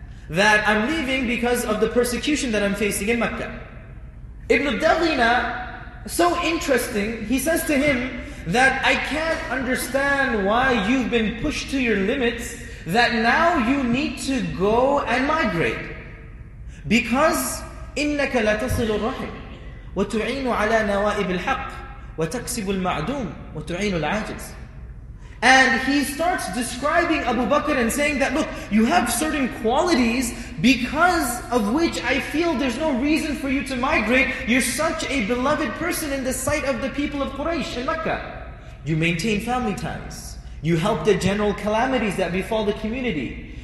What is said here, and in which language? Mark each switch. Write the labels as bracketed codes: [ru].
[en] that I'm leaving because of the persecution that I'm facing in Mecca. Ibn Dalina, so interesting, he says to him that I can't understand why you've been pushed to your limits, that now you need to go and migrate. Because [ar] إِنَّكَ لَتَصِلُ الرَّحِمِ وَتُعِينُ عَلَى نَوَائِبِ الْحَقِّ وَتَكْسِبُ الْمَعْدُومِ وَتُعِينُ الْعَاجِزِ. [en] And he starts describing Abu Bakr and saying that, look, you have certain qualities because of which I feel there's no reason for you to migrate. You're such a beloved person in the sight of the people of Quraysh in Mecca. You maintain family ties. You help the general calamities that befall the community.